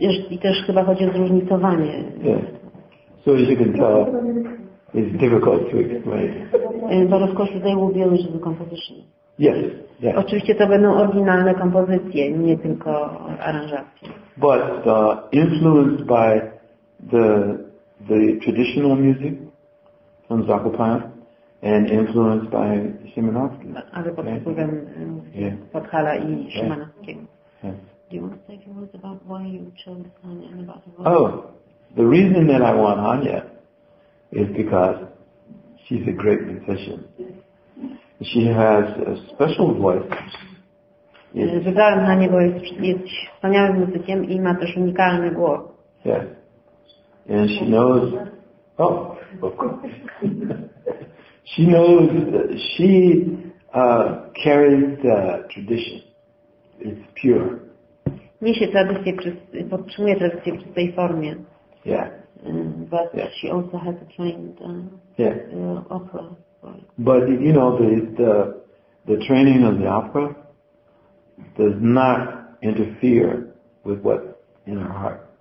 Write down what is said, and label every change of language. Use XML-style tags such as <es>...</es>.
<pl>I też chyba chodzi o zróżnicowanie.</pl> <en>So as you can tell, it's difficult to explain. But of course they will be original composition. Yes. Yes.</en> <pl>Oczywiście to będą oryginalne kompozycje, nie tylko aranżacje.</pl> <en>But influenced by the traditional music from Zakopane and influenced by Szymanowski.</en> <pl>Ale pod wpływem Podhala i Szymanowskiego.</pl> <en>Do you want to say a few words about why you chose Anya and about the role? Oh, the reason that I want Anya is because she's a great musician. She has a special voice.</en> <pl>Wybrałem na niego, jest wspaniałym muzykiem i ma też unikalny głos.</pl> <en>Yes. And she knows... Oh, of course. She knows... She carries the tradition. It's pure.</en> <pl>Niesie tradycję, podtrzymuje tradycję w tej formie.</pl> <en>Yeah. But she also has a trained opera. But you know the training of the opera does not interfere with what's in her heart.</en>